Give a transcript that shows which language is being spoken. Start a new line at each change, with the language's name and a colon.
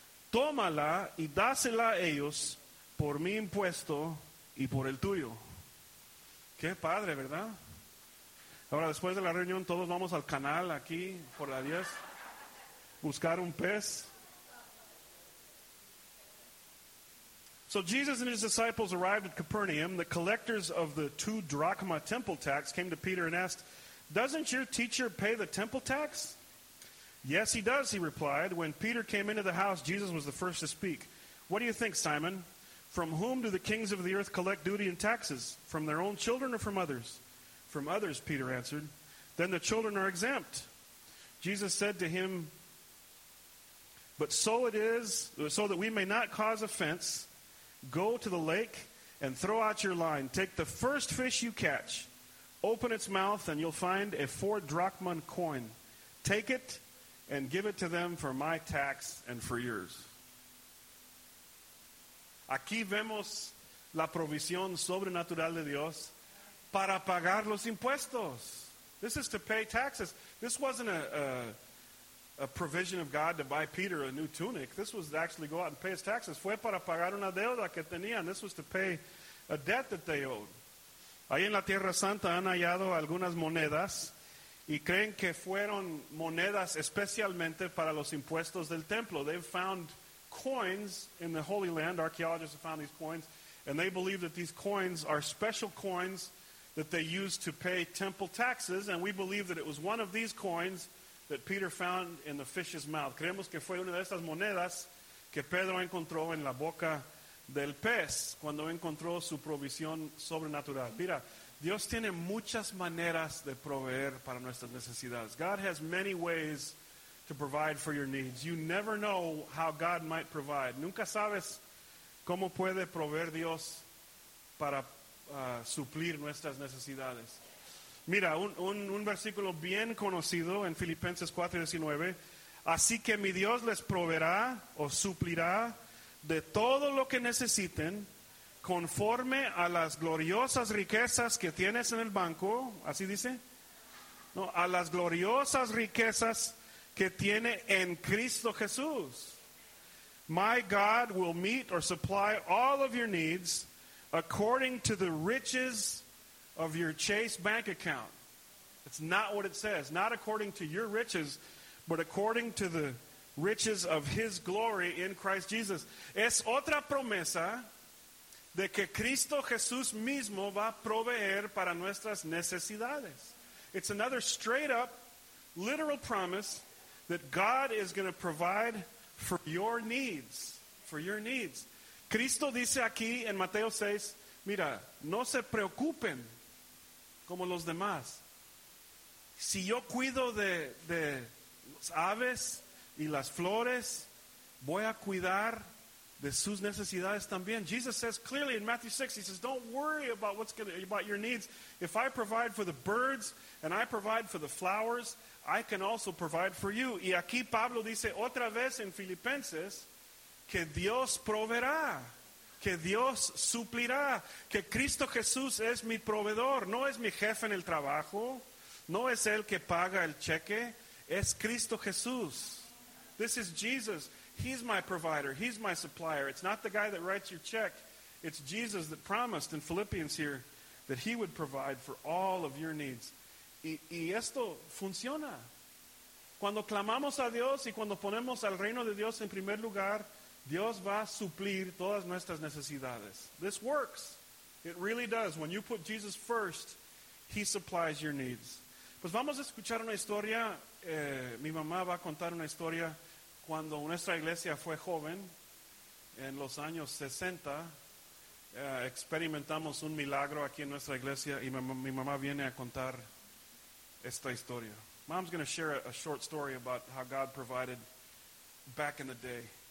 Spanish: Tómala y dásela a ellos por mi impuesto y por el tuyo. Qué padre, ¿verdad? Ahora, después de la reunión, todos vamos al canal aquí, por la 10, buscar un pez.
English: So Jesus and his disciples arrived at Capernaum. The collectors of the 2 drachma temple tax came to Peter and asked, doesn't your teacher pay the temple tax? Yes, he does, he replied. When Peter came into the house, Jesus was the first to speak. What do you think, Simon? From whom do the kings of the earth collect duty and taxes? From their own children or from others? From others, Peter answered. Then the children are exempt. Jesus said to him, but so it is, so that we may not cause offense, go to the lake and throw out your line. Take the first fish you catch. Open its mouth and you'll find a 4 drachma coin. Take it and give it to them for my tax and for yours.
Spanish: Aquí vemos la provisión sobrenatural de Dios para pagar los impuestos.
English: This is to pay taxes. This wasn't a provision of God to buy Peter a new tunic. This was to actually go out and pay his taxes.
Spanish: Fue para pagar una deuda que tenían.
English: This was to pay a debt that they owed.
Spanish: Ahí en la Tierra Santa han hallado algunas monedas y creen que fueron monedas especialmente para los impuestos del templo.
English: They've found coins in the Holy Land. Archaeologists have found these coins, and they believe that these coins are special coins that they use to pay temple taxes, and we believe that it was one of these coins that Peter found in the fish's mouth.
Spanish: Creemos que fue una de estas monedas que Pedro encontró en la boca del pez cuando encontró su provisión sobrenatural. Mira, Dios tiene muchas maneras de proveer para nuestras necesidades.
English: God has many ways to provide for your needs. You never know how God might provide.
Spanish: Nunca sabes cómo puede proveer Dios para suplir nuestras necesidades. Mira, un versículo bien conocido en Filipenses 4:19. Así que mi Dios les proveerá o suplirá de todo lo que necesiten conforme a las gloriosas riquezas que tienes en el banco. ¿Así dice? No, a las gloriosas riquezas que tiene en Cristo Jesús.
English: My God will meet or supply all of your needs according to the riches of your Chase bank account. It's not what it says. Not according to your riches, but according to the riches of his glory in Christ Jesus.
Spanish: Es otra promesa de que Cristo Jesús mismo va a proveer para nuestras necesidades.
English: It's another straight up, literal promise that God is going to provide for your needs. For your needs.
Spanish: Cristo dice aquí en Mateo 6, mira, no se preocupen como los demás. Si yo cuido de las aves y las flores, voy a cuidar de sus necesidades también.
English: Jesus says clearly in Matthew 6, he says, don't worry about about your needs. If I provide for the birds and I provide for the flowers, I can also provide for you.
Spanish: Y aquí Pablo dice otra vez en Filipenses que Dios proveerá, que Dios suplirá, que Cristo Jesús es mi proveedor. No es mi jefe en el trabajo, no es él que paga el cheque, es Cristo Jesús.
English: This is Jesus. He's my provider. He's my supplier. It's not the guy that writes your check. It's Jesus that promised in Philippians here that he would provide for all of your needs.
Spanish: Y esto funciona. Cuando clamamos a Dios y cuando ponemos al reino de Dios en primer lugar, Dios va a suplir todas nuestras necesidades.
English: This works. It really does. When you put Jesus first, he supplies your needs.
Spanish: Pues vamos a escuchar una historia. Mi mamá va a contar una historia cuando nuestra iglesia fue joven, en los años 60, experimentamos un milagro aquí en nuestra iglesia y mi mamá viene a contar esta historia.
English: Mom's going to share a short story about how God provided back in the day.